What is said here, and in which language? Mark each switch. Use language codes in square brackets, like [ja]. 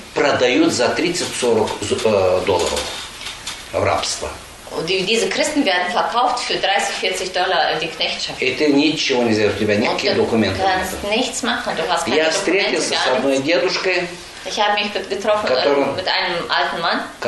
[ru] Продают за 30-40 долларов в рабство. [de] Und diese Christen werden verkauft für 30-40 Dollar in die Knechtschaft. [ru] И ты ничего не сделаешь, у тебя никаких документов. [de] Du kannst nichts machen, du hast keine Dokumente. [ru] Я встретился с одной дедушкой. [de] Ich habe mich getroffen mit einem alten Mann,